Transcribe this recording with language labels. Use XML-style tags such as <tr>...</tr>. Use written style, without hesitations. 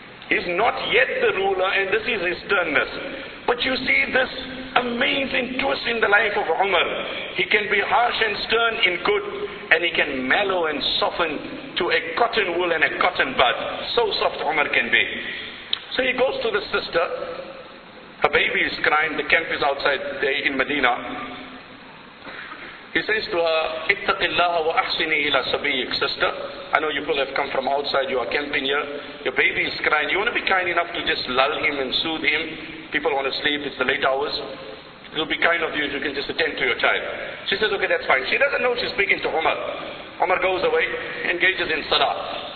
<en>He's not yet the ruler and this is his sternness. But you see this amazing twist in the life of Umar. He can be harsh and stern in good, and he can mellow and soften to a cotton wool and a cotton bud. So soft Umar can be. So he goes to the sister. Her baby is crying. The camp is outside there in Medina. He says to her,</en> <ar>اتق الله وأحسني إلى سبيك.</ar> <en>Sister, I know you people have come from outside, you are camping here. Your baby is crying. You want to be kind enough to just lull him and soothe him? People want to sleep, it's the late hours. It'll be kind of you if you can just attend to your child. She says, okay, that's fine. She doesn't know she's speaking to Umar. Umar goes away, engages in salah.</en>